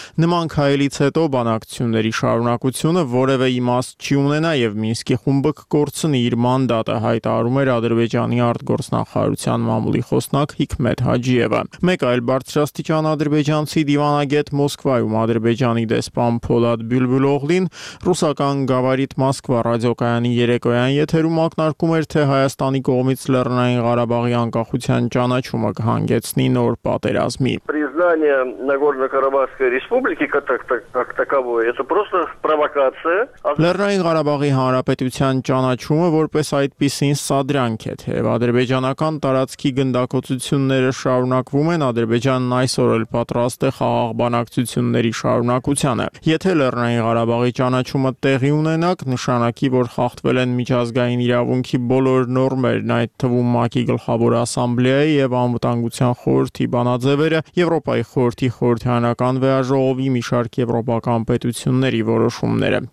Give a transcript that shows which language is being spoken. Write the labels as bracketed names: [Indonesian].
[Armenian] Նման քայլից հետո բանակցությունների շարունակությունը որևէ իմաստ չի ունենա եւ Մինսկի խումբը կկորցնի իր մանդատը, հայտարարում էր Ադրբեջանի արտգործնախարարությունը Հարության մամուլի խոսնակ Հիքմետ Հաջիևը։ Մեկ այլ բարձրաստիճան ադրբեջանցի դիվանագետ Մոսկվայում, Ադրբեջանի դեսպան Փոլադ Բյուլբուլօղլին, ռուսական Գավարիթ Մոսկվա ռադիոկայանի երեկոյան եթերում ակնարկում էր, թե Հայաստանի կողմից Լեռնային Ղարաբաղի անկախության ճանաչումը կհանգեցնի նոր պատերազմի։ [Russian] Признание Нагорно-Карабахской республики как таковой это просто провокация. [Armenian] Լեռնային Ղարաբաղի հանրապետության ճանաչումը որպես այդպիսին սադրանք է, թեև ադրբեջանական տարածքի գնդակոծությունները շարունակվում են, Ադրբեջանն այսօր էլ պատրաստ է խաղաղ բանակցությունների շարունակությանը։ Եթե Լեռնային Ղարաբաղի ճանաչումը տեղի ունենա, նշանակի, որ խախտվել են միջազգային իրավունքի բոլոր նորմերն, այդ թվում ՄԱԿ-ի գլխավոր ասամբլեայի եւ անվտանգության խորհրդի բանաձևերը, Եվրոպայի խորհրդի խորհրդանական վեաժողովի մի շարք եվրոպական պետությունների որոշումները։